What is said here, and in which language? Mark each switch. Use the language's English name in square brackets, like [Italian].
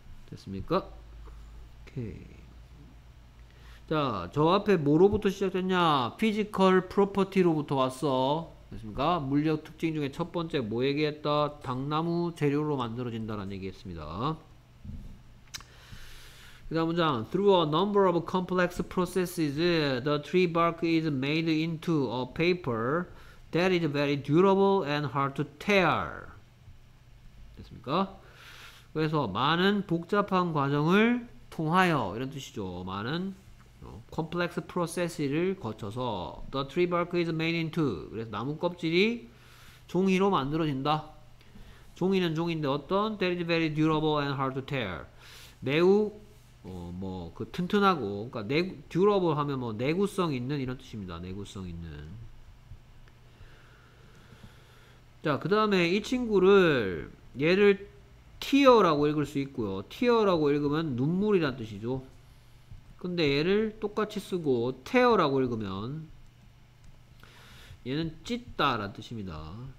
[Korean] 됐습니까? 오케이. 자, 저 앞에 뭐로부터 시작됐냐? [English] physical property [Korean] 로부터 왔어. 됐습니까? 물리적 특징 중에 첫 번째 뭐 얘기했다? 당나무 재료로 만들어진다라는 얘기했습니다. 그 다음 문장, [English] through a number of complex processes, the tree bark is made into a paper that is very durable and hard to tear. [Korean] 됐습니까? 그래서 많은 복잡한 과정을 통하여 이런 뜻이죠. 많은 [English] complex processes를 [Korean] 거쳐서 [English] the tree bark is made into, [Korean] 그래서 나무 껍질이 종이로 만들어진다. 종이는 종인데 어떤? [English] that is very durable and hard to tear. [Korean] 매우 뭐그 튼튼하고, 그러니까 듀러블 하면 뭐 내구성 있는 이런 뜻입니다. 내구성 있는. 자, 그 다음에 이 친구를, 얘를 tear라고 읽을 수 있고요. tear라고 읽으면 눈물이란 뜻이죠. 근데 얘를 똑같이 쓰고 tear라고 읽으면 얘는 찢다란 뜻입니다.